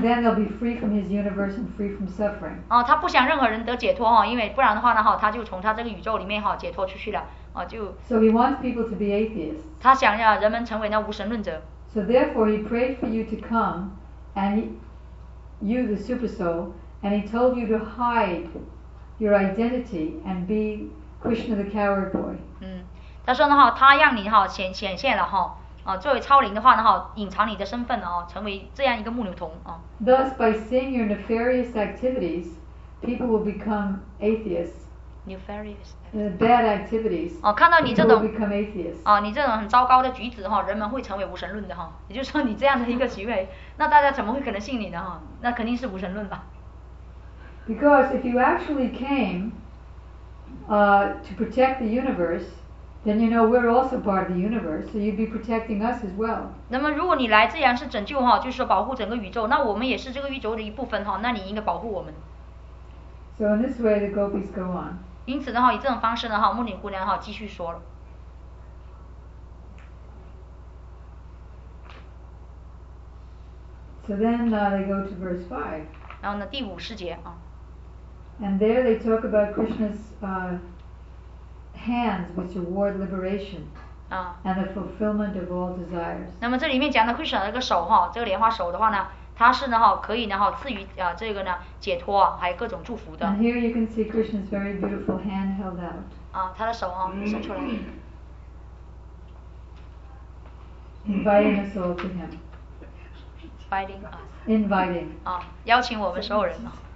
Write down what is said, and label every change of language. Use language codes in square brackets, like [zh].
[en] Because then they'll be free from his universe and free from suffering. [zh] 他不想任何人得解脱哈，因为不然的话呢哈，他就从他这个宇宙里面哈解脱出去了。啊，就。 [en] So he wants people to be atheists. [zh] 他想要人们成为那无神论者。 [en] So therefore, he prayed for you to come, and he, you, the super soul, and he told you to hide your identity and be Krishna the coward boy. [zh] 嗯，他说呢哈，他让你哈显现了哈。作为超灵的话呢，隐藏你的身份呢，成为这样一个木牛童啊。 [en] Thus, by seeing your nefarious activities, people will become atheists. Nefarious. Bad activities. [zh] 哦，看到你这种 [en] become atheists. [zh] 哦，你这种很糟糕的举止哈，人们会成为无神论的哈。也就是说，你这样的一个行为，那大家怎么会可能信你的哈？那肯定是无神论吧。 [en] Because if you actually came, to protect the universe. Then you know we're also part of the universe, so you'd be protecting us as well. [zh] 那么如果你来这样是拯救哈，就是保护整个宇宙，那我们也是这个宇宙的一部分哈，那你应该保护我们。 [en] So in this way, the gopis go on. [zh] 因此的话，以这种方式的话，木女姑娘哈继续说了。 [en] So then they go to verse 5. [zh] 然后呢，第五十节啊。 [en] And there they talk about Krishna's hands which award liberation and the fulfillment of all desires. [zh] 那么这里面讲的 Krishna 那个手哈，这个莲花手的话呢，它是呢哈可以呢哈赐予啊这个呢解脱啊，还有各种祝福的。 [en] And here you can see Krishna's very beautiful hand held out. [zh] 啊，他的手哈伸出来。 [en] Inviting us all to him. Inviting us. Inviting. [zh] 啊，邀请我们所有人啊。